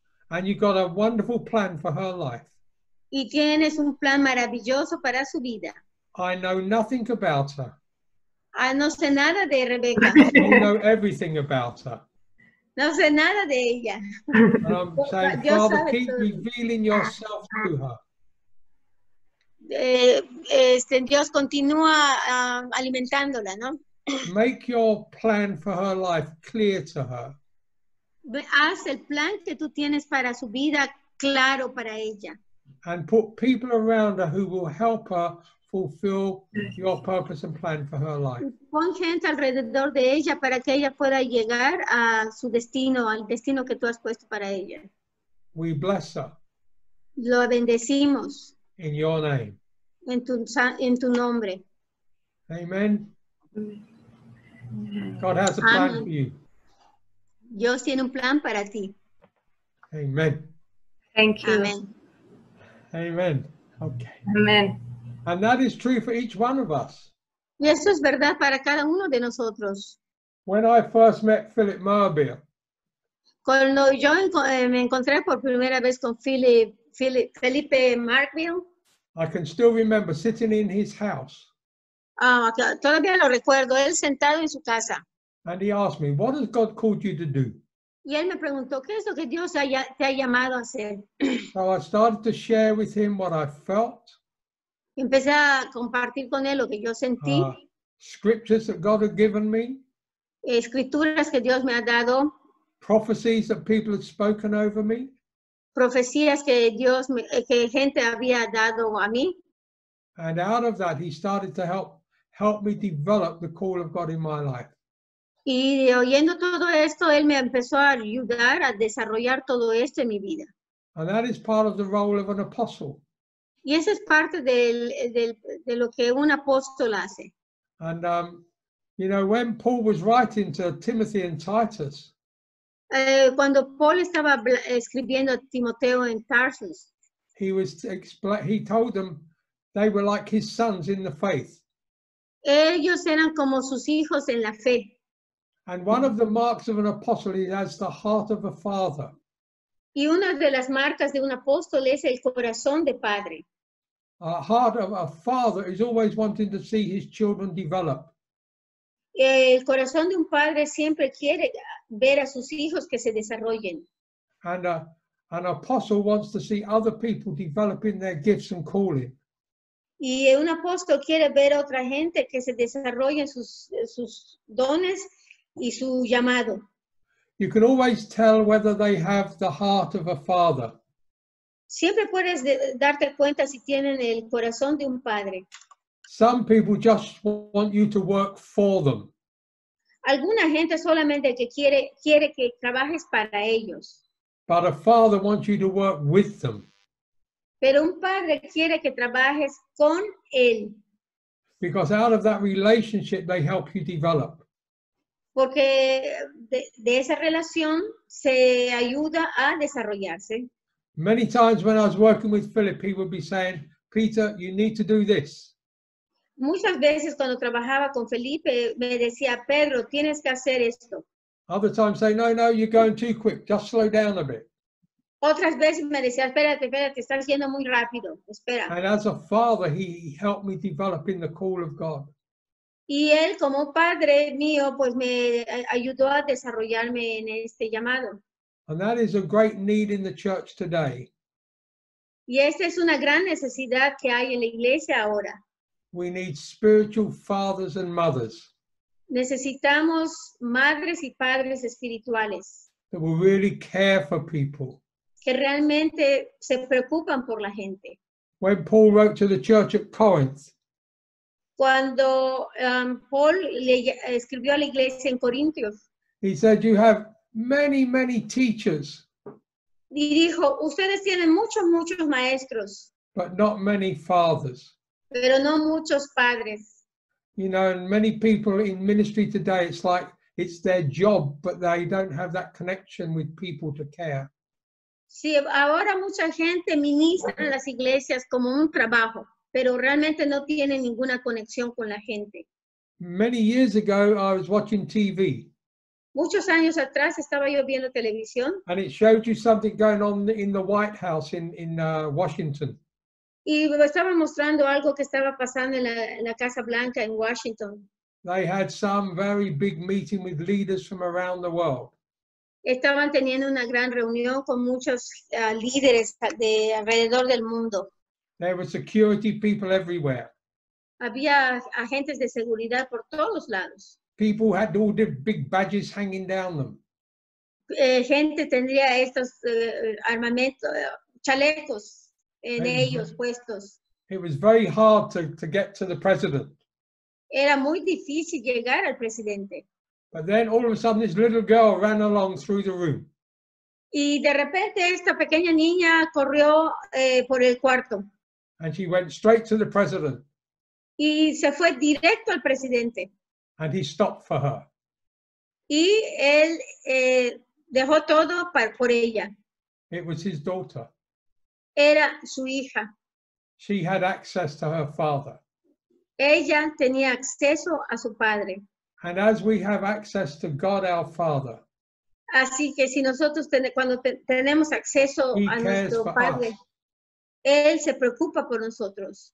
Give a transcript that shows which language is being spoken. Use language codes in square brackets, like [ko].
[en] And you got a wonderful plan for her life. [es] Y tienes un plan maravilloso para su vida. [en] I know nothing about her. [es] No sé nada de Rebecca. [en] I know everything about her. [es] No sé nada de ella. [en] And I'm saying, Dios, Father, keep todo. Revealing yourself to her. [es] Dios continúa alimentándola, ¿no? [en] Make your plan for her life clear to her. [es] Haz el plan que tú tienes para su vida claro para ella. [en] And put people around her who will help her fulfill your purpose and plan for her life. [es] Pon gente alrededor de ella para que ella pueda llegar a su destino, al destino que tú has puesto para ella. [en] We bless her. [es] Lo bendecimos. [en] In your name. [es] En tu nombre. [en] Amen. God has a plan Amen. For you. [es] Dios tiene un plan para ti. [en] Amen. Thank you. Amen. Amen. Okay. Amen. And that is true for each one of us. [es] Y eso es verdad para cada uno de nosotros. [en] When I first met Philip Marbier. [es] Cuando yo me encontré por primera vez con Felipe Marbier. [en] I can still remember sitting in his house. [es] Todavía lo recuerdo, él sentado en su casa. [en] And he asked me, what has God called you to do? [es] Y él me preguntó, ¿qué es lo que Dios te ha llamado a hacer? [en] So I started to share with him what I felt. [es] Empecé a compartir con él lo que yo sentí. [en] Scriptures that God had given me. [es] Escrituras que Dios me ha dado. [en] Prophecies that people had spoken over me. [es] Profecías que Dios me, que gente había dado a mí. [en] And out of that, he started to help me develop the call of God in my life. [es] Y oyendo todo esto, él me empezó a ayudar a desarrollar todo esto en mi vida. [en] And that is part of the role of an apostle. [es] Y esa es parte de lo que un apóstol hace. [en] And, you know, when Paul was writing to Timothy and Titus, [es] cuando Paul estaba escribiendo a Timoteo en Tarsus, [en] he told them they were like his sons in the faith. [es] Ellos eran como sus hijos en la fe. [en] And one of the marks of an apostle is has the heart of a father. [es] Y una de las marcas de un apóstol es el corazón de padre. [en] A heart of a father is always wanting to see his children develop. [es] El corazón de un padre siempre quiere ver a sus hijos que se desarrollen. [en] And an apostle wants to see other people developing their gifts and calling. [es] Y un apóstol quiere ver a otra gente que se desarrollen sus dones. Y su llamado. [en] You can always tell whether they have the heart of a father. [es] Siempre puedes darte cuenta si tienen el corazón de un padre. [en] Some people just want you to work for them. [es] Alguna gente solamente que quiere que trabajes para ellos. [en] But a father wants you to work with them. [es] Pero un padre quiere que trabajes con él. [en] Because out of that relationship they help you develop. [es] Porque de esa relación se ayuda a desarrollarse. [en] Many times when I was working with Philip, he would be saying, Peter, you need to do this. [es] Muchas veces cuando trabajaba con Felipe, me decía, Pedro, tienes que hacer esto. [en] Other times say, no, you're going too quick. Just slow down a bit. [es] Otras veces me decía, espérate, estás yendo muy rápido. Espera. [en] And as a father, he helped me develop in the call of God. [es] Y él, como padre mío, pues me ayudó a desarrollarme en este llamado. [en] And that is a great need in the church today. [es] Y esta es una gran necesidad que hay en la iglesia ahora. [en] We need spiritual fathers and mothers. [es] Necesitamos madres y padres espirituales. [en] That will really care for people. [es] Que realmente se preocupan por la gente. [en] When Paul wrote to the church at Corinth, [es] cuando Paul le escribió a la iglesia en Corintios, [en] he said, you have many, many teachers. [es] Y dijo, ustedes tienen muchos, muchos maestros. [en] But not many fathers. [es] Pero no muchos padres. [en] You know, and many people in ministry today, it's like it's their job, but they don't have that connection with people to care. [es] Sí, ahora mucha gente ministra en las iglesias como un trabajo. Pero realmente no tiene ninguna conexión con la gente. [en] Many years ago, I was watching TV. [es] Muchos años atrás estaba yo viendo televisión. [en] And it showed you something going on in the White House in Washington. [es] Y me estaba mostrando algo que estaba pasando en la Casa Blanca en Washington. [en] They had some very big meeting with leaders from around the world. [es] Estaban teniendo una gran reunión con muchos líderes de alrededor del mundo. [en] There were security people everywhere. [es] Había agentes de seguridad por todos lados. [en] People had all the big badges hanging down them. [es] Gente tendría estos armamentos, chalecos en ellos puestos. [en] It was very hard to get to the president. [es] Era muy difícil llegar al presidente. [en] But then all of a sudden this little girl ran along through the room. [es] Y de repente esta pequeña niña corrió por el cuarto. [en] And she went straight to the president. [es] Y se fue directo al presidente. [en] And he stopped for her. [es] Y él dejó todo por ella. [en] It was his daughter. [es] Era su hija. [en] She had access to her father. [es] Ella tenía acceso a su padre. [en] And as we have access to God our Father. [es] Así que si nosotros cuando tenemos acceso a nuestro Padre, Él se preocupa por nosotros.